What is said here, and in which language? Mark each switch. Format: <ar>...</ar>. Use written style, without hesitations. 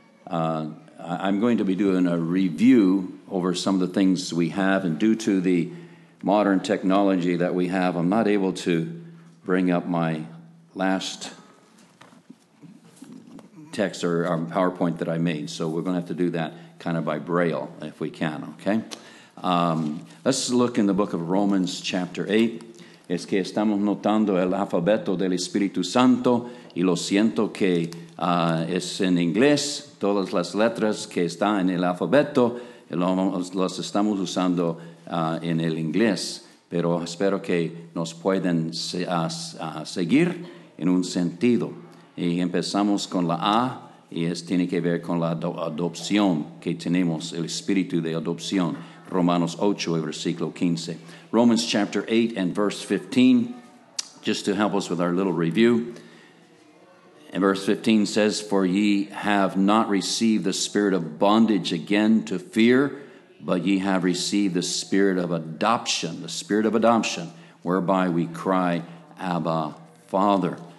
<en>I'm going to be doing a review over some of the things we have, and due to the modern technology that we have, I'm not able to bring up my last text or PowerPoint that I made, so we're going to have to do that kind of by braille, if we can, okay? Let's look in the book of Romans, chapter 8.</en> <es>Es que estamos notando el alfabeto del Espíritu Santo, y lo siento que es en inglés, todas las letras que están en el alfabeto, las estamos usando en el inglés, pero espero que nos puedan seguir en un sentido. Y empezamos con la A, y es tiene que ver con la adopción que tenemos, el espíritu de adopción. Romanos 8, versículo 15.</es> <en>Romans chapter 8 and verse 15, just to help us with our little review. And verse 15 says, "For ye have not received the spirit of bondage again to fear, but ye have received the spirit of adoption," the spirit of adoption, "whereby we cry, Abba, Father."</en>